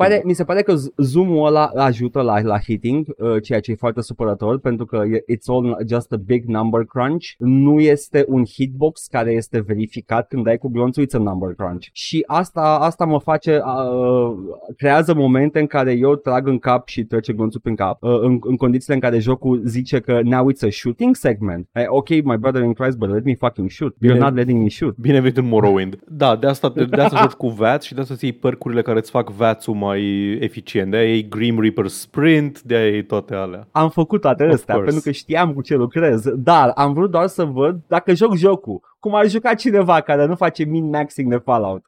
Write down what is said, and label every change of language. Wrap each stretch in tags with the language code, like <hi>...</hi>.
<ro>Mi se pare că zoom-ul ăla ajută la hitting, ceea ce e foarte supărător, pentru că</ro> <en>it's all just a big number crunch.</en> <ro>Nu este un hitbox care este verificat când dai cu glonțul,</ro> <en>it's a number crunch.</en> <ro>Și asta mă face, creează momente în care eu trag în cap și trece glonțul prin cap. În condițiile în care jocul zice că</ro> <en>now it's a shooting segment. Ok, my brother in Christ, but let me fucking shoot. Bine, you're not letting me shoot.</en> <ro>Bine venit în Morrowind. Da, de asta joci cu VAT și de asta ții perk-urile care îți fac VAT-ul mai eficient. De-aia e Grim Reaper Sprint, de-aia e toate alea. Am făcut toate astea pentru că știam cu ce lucrez, dar am vrut doar să văd dacă joc jocul, cum ar juca cineva care nu face min-maxing de Fallout.</ro>